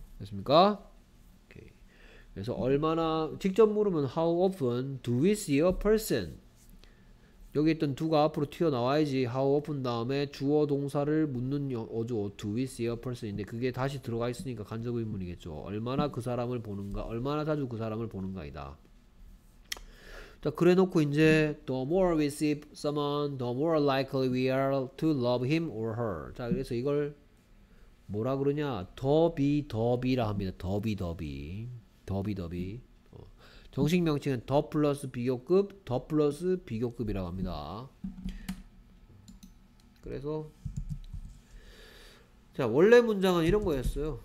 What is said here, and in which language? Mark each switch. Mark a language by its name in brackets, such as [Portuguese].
[Korean] 됐습니까? 오케이. 그래서 얼마나 직접 물으면 [English] how often do we see a person? [Korean] 여기 있던 두가 앞으로 튀어나와야지 how often 다음에 주어 동사를 묻는 어조 do we see a person인데 그게 다시 들어가 있으니까 간접 의문이겠죠. 얼마나 그 사람을 보는가, 얼마나 자주 그 사람을 보는가이다. 자, 그래 놓고 이제 [English] the more we see someone, the more likely we are to love him or her. [Korean] 자, 그래서 이걸 뭐라 그러냐? 더비 더비라 합니다. 더비 더비. 더비 더비. 정식 명칭은 더 플러스 비교급, 더 플러스 비교급이라고 합니다. 그래서 자, 원래 문장은 이런 거였어요.